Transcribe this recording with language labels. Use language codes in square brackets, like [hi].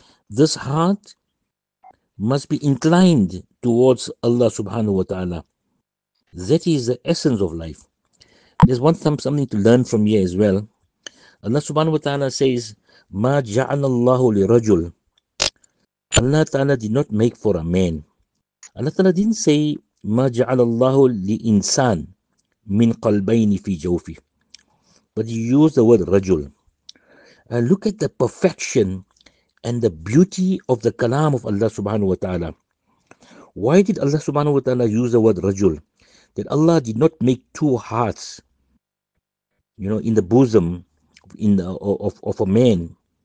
[en] This heart must be inclined towards Allah subhanahu wa ta'ala. That is the essence of life. There's one something to learn from here as well. Allah subhanahu wa ta'ala says, [ar] مَا جَعَلَ اللَّهُ لِرَجُلٍ. [en] Allah ta'ala did not make for a man. Allah ta'ala didn't say, [ar] مَا جَعَلَ اللَّهُ لِإِنسَانٍ مِنْ قَلْبَيْنِ فِي جَوْفِهِ. [en] But he used the word رَجُل. Look at the perfection and the beauty of the kalam of Allah subhanahu wa ta'ala. Why did Allah subhanahu wa ta'ala use the word رَجُل? That Allah did not make two hearts, you know, in the bosom of a man.